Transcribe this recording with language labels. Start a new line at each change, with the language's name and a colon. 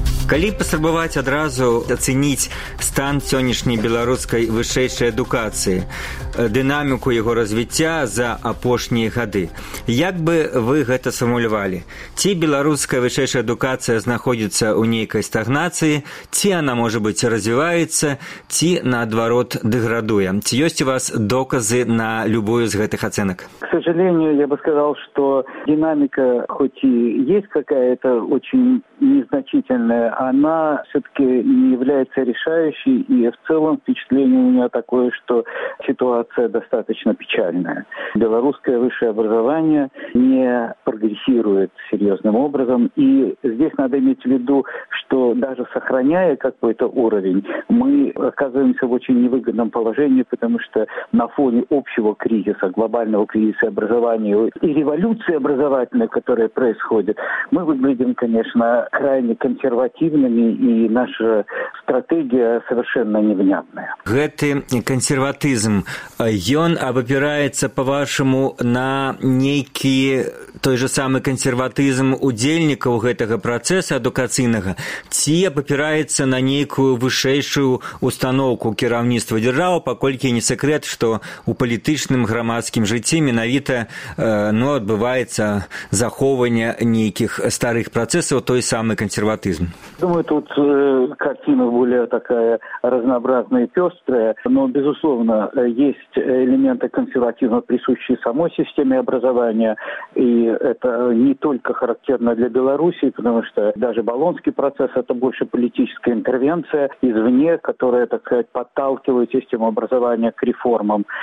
Belarusian: Калі паспрабаваць адразу ацэніць стан сённяшняй беларускай вышэйшай адукацыі, дынаміку яго развіцця за апошнія гады, як бы вы гэта сфармулявалі? Ці беларуская вышэйшая адукацыя знаходзіцца ў нейкай стагнацыі, ці яна, можа быць, развіваецца, ці, наадварот, дэградуе? Ці ёсць у вас доказы на любую з гэтых ацэнак?
Russian: К сожалению, я бы сказал, что динамика, хоть и есть какая-то очень незначительная, она все-таки не является решающей, и в целом впечатление у меня такое, что ситуация достаточно печальная. Белорусское высшее образование не прогрессирует серьезным образом, и здесь надо иметь в виду, что даже сохраняя какой-то уровень, мы оказываемся в очень невыгодном положении, потому что на фоне общего кризиса, глобального кризиса образования и революции образовательной, которая происходит, мы выглядим, конечно, крайне консервативно,
Belarusian: і наша стратэгія
Russian: совершенно невнятная.
Belarusian: Гэты кансерватызм, ён абапіраецца, па-вашаму, на нейкі той же самы кансерватызм удзельнікаў гэтага працэса адукацыйнага, ці абапіраецца на нейкую вышэйшую ўстаноўку кіраўніцтва дзяржавы, паколькі не сакрэт, што ў палітычным грамадскім жыцці менавіта адбываецца захоўванне нейкіх старых працэсаў, той самы кансерватызм.
Russian: Думаю, тут картина более такая разнообразная и пестрая, но, безусловно, есть элементы консервативно присущие самой системе образования, и это не только характерно для Беларуси, потому что даже Болонский процесс – это больше политическая интервенция извне, которая, так сказать, подталкивает систему образования к реформам.